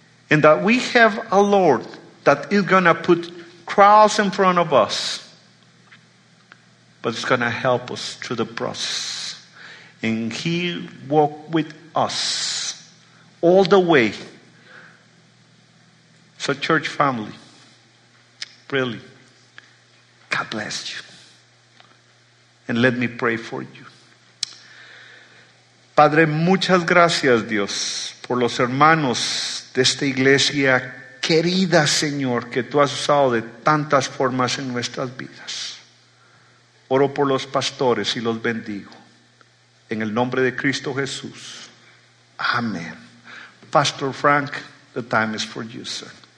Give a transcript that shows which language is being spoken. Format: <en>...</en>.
<en>And that we have a Lord that is going to put trials in front of us. But it's going to help us through the process. And he walked with us all the way. So church family, really, God bless you. And let me pray for you.</en> <es>Padre, muchas gracias, Dios, por los hermanos de esta iglesia querida, Señor, que tú has usado de tantas formas en nuestras vidas. Oro por los pastores y los bendigo. En el nombre de Cristo Jesús. Amén.</es> <en>Pastor Frank, the time is for you, sir.</en>